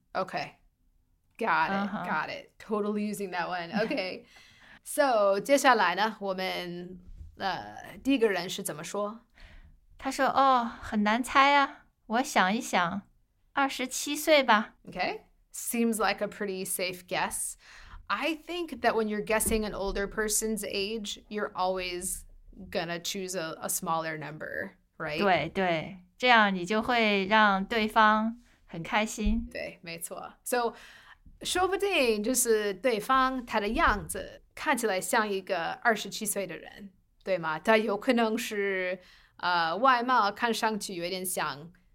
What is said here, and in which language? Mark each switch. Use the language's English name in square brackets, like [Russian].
[English] Okay. Got it. Uh-huh. Got it. Totally using that one. Okay. [Chinese] So, 接下来呢,我们第一个人是怎么说? 他说,哦,很难猜啊,我想一想,二十七岁吧。 [English] Okay. Seems like a pretty safe guess. I think that when you're guessing an older person's age, you're always gonna choose a smaller number. Right? [Chinese] 对对，这样你就会让对方很开心。对，没错。 So, 说不定就是对方他的样子看起来像一个二十七岁的人，对吗？他有可能是外貌看上去有点像